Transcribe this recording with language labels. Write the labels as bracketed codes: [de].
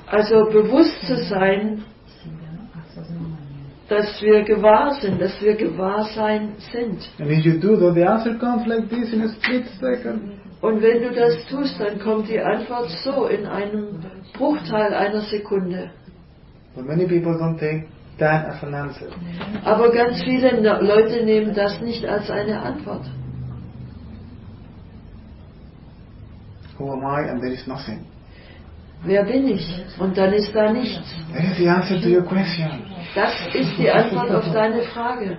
[de] Also bewusst zu sein, dass wir gewahr sind, dass wir Gewahrsein sind. [en] And if you do, though the answer comes like this in a split second. [de] Und wenn du das tust, dann kommt die Antwort so in einem Bruchteil einer Sekunde. [en] But many people don't take that as an answer. [de] Aber ganz viele Leute nehmen das nicht als eine Antwort. [en] Who am I and there is nothing? [de] Wer bin ich? Und dann ist da nichts. [en] That is the answer to your question. [de] Das ist die Antwort auf deine Frage.